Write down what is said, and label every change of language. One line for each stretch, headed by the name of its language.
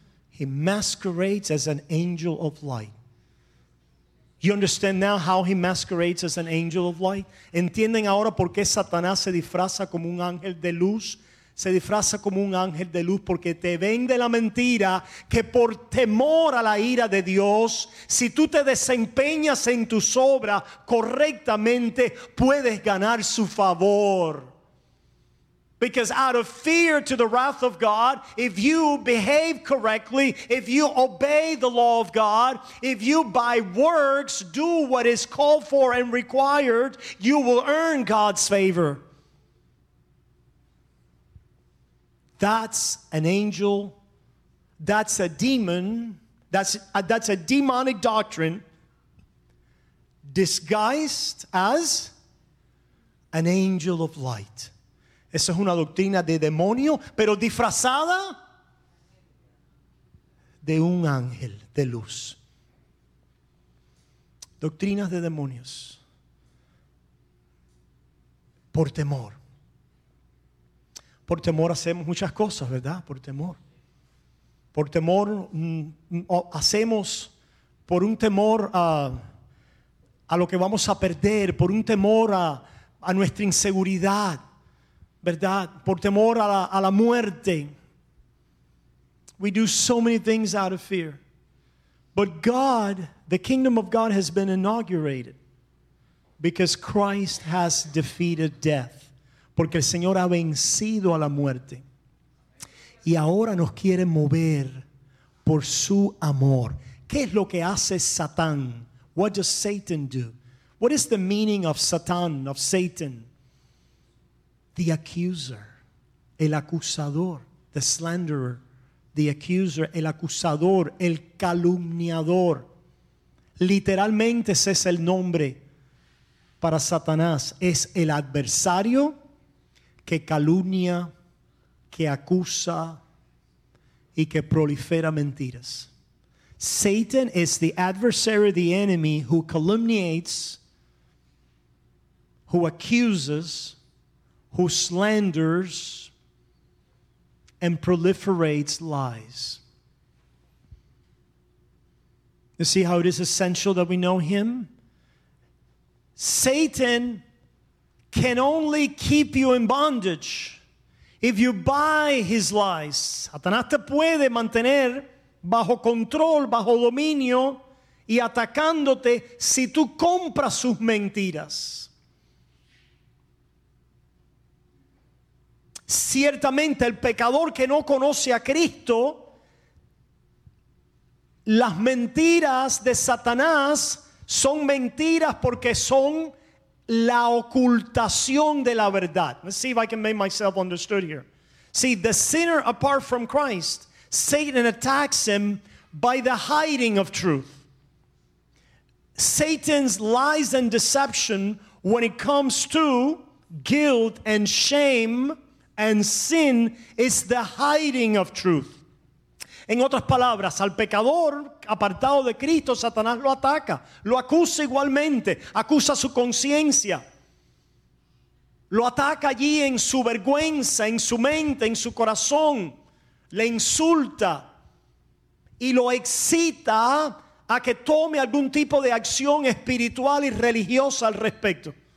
English: He masquerades as an angel of light. You understand now how he masquerades as an angel of light?
Spanish: ¿Entienden ahora por qué Satanás se disfraza como un ángel de luz? Se disfraza como un ángel de luz porque te vende la mentira que por temor a la ira de Dios, si tú te desempeñas en tus obras correctamente, puedes ganar su favor.
English: Because out of fear to the wrath of God, if you behave correctly, if you obey the law of God, if you by works do what is called for and required, you will earn God's favor. That's an angel. That's a demon. That's a demonic doctrine disguised as an angel of light.
Spanish: Esa es una doctrina de demonio, pero disfrazada de un ángel de luz. Doctrinas de demonios. Por temor. Por temor hacemos muchas cosas, ¿verdad? Por temor. Por temor hacemos, por un temor a lo que vamos a perder, por un temor a nuestra inseguridad. ¿Verdad? Por temor a la muerte.
English: We do so many things out of fear. But God, the kingdom of God has been inaugurated because Christ has defeated death.
Spanish: Porque el Señor ha vencido a la muerte. Y ahora nos quiere mover por su amor. ¿Qué es lo que hace Satán?
English: What does Satan do? What is the meaning of Satán, of Satan? The accuser,
Spanish: el acusador,
English: the slanderer, the accuser,
Spanish: el acusador, el calumniador. Literalmente ese es el nombre para Satanás. Es el adversario que calumnia, que acusa, y que prolifera mentiras.
English: Satan is the adversary, the enemy, who calumniates, who accuses, who slanders, and proliferates lies. You see how it is essential that we know him? Satan can only keep you in bondage if you buy his lies.
Spanish: Satanás te puede mantener bajo control, bajo dominio, y atacándote si tú compras sus mentiras. Ciertamente el pecador que no conoce a Cristo, las mentiras de Satanás son mentiras porque son la ocultación de la verdad.
English: Let's see if I can make myself understood here. See, the sinner apart from Christ, Satan attacks him by the hiding of truth. Satan's lies and deception when it comes to guilt and shame and sin is the hiding of truth.
Spanish: En otras palabras, al pecador apartado de Cristo, Satanás lo ataca, lo acusa igualmente, acusa su conciencia. Lo ataca allí en su vergüenza, en su mente, en su corazón. Le insulta y lo excita a que tome algún tipo de acción espiritual y religiosa al respecto.